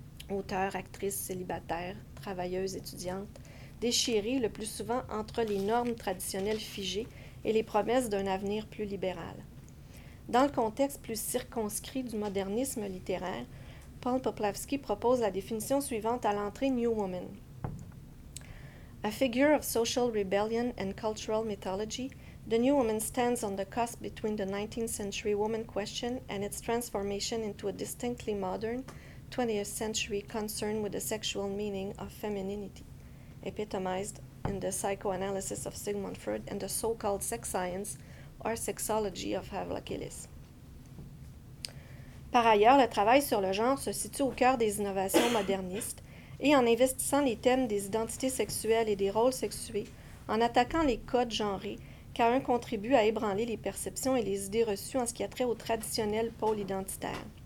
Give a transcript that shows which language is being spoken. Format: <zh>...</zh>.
<fr>Auteur, actrice, célibataire, travailleuse, étudiante, déchirée le plus souvent entre les normes traditionnelles figées et les promesses d'un avenir plus libéral. Dans le contexte plus circonscrit du modernisme littéraire, Paul Poplavsky propose la définition suivante à l'entrée « New Woman ».</fr> <en>A figure of social rebellion and cultural mythology, the new woman stands on the cusp between the 19th century woman question and its transformation into a distinctly modern 20th century concern with the sexual meaning of femininity, epitomized in the psychoanalysis of Sigmund Freud and the so-called sex science or sexology of Havelock Ellis.</en> <fr>Par ailleurs, le travail sur le genre se situe au cœur des innovations modernistes et en investissant les thèmes des identités sexuelles et des rôles sexués, en attaquant les codes genrés, car un contribue à ébranler les perceptions et les idées reçues en ce qui a trait au traditionnel pôle identitaire.</fr>